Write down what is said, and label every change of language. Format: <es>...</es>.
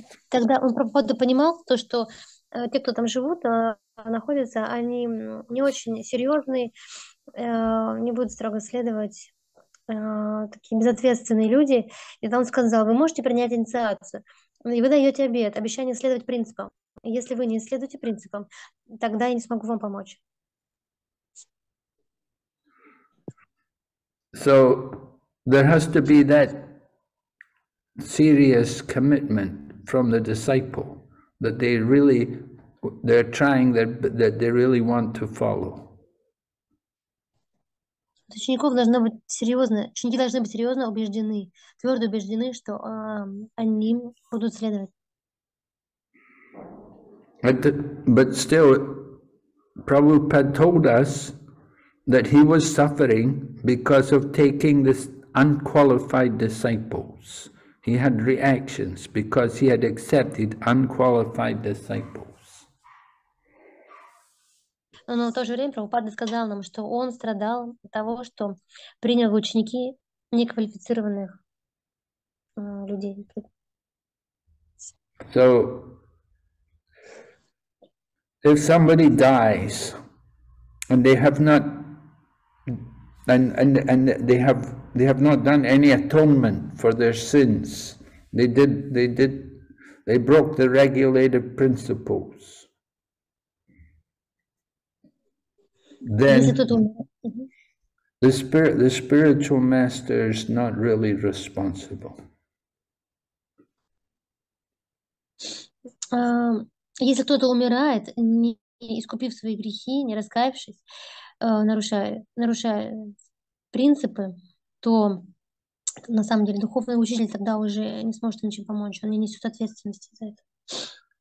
<ru>Те, кто там живут, находятся, они не очень серьезные, не будут строго следовать, такие безответственные люди. И он сказал, вы можете принять инициацию, и вы даете обет, обещание следовать принципам. Если вы не следуете принципам, тогда я не смогу вам помочь.</ru> <en>So there has to be that serious commitment from the disciple, that they really they're trying that they really want to follow.</en> <ru>Учеников должно быть серьезно, ученики должны быть серьезно убеждены, твердо убеждены, что они будут следовать.</ru> <en>But still, Prabhupada told us that he was suffering because of taking this unqualified disciples. He had reactions because he had accepted unqualified disciples.</en> <ru>Но в то же время Прабхупада сказал нам, что он страдал от того, что принял ученики неквалифицированных людей.</ru> <en>So, if somebody dies and they have not and they have not done any atonement for their sins, they broke the regulative principles. Then the spiritual master is not really responsible.</en> <ru>Если кто-то умирает, не искупив свои грехи, не раскаявшись, нарушая принципы, то на самом деле духовный учитель тогда уже не сможет ничем помочь, он не несет ответственности за это.</ru>